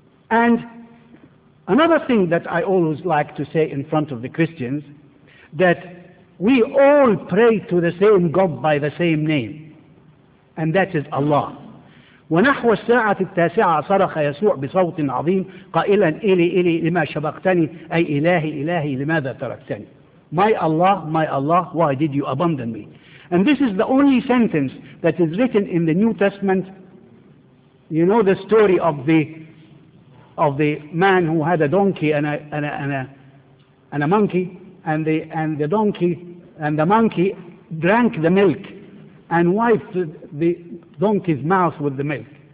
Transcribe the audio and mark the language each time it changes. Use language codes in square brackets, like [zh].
[en] And another thing that I always like to say in front of the Christians, that we all pray to the same God by the same name, and that is Allah. [ar] ونحو الساعة التاسعة صرخ يسوع بصوت عظيم قائلا إلي إلي لما شبقتني أي إلهي إلهي لماذا تركتني. [en] My Allah, why did you abandon me? And this is the only sentence that is written in the New Testament. You know the story of the man who had a donkey and a monkey, and the donkey and the monkey drank the milk and wiped the donkey's mouth with the milk.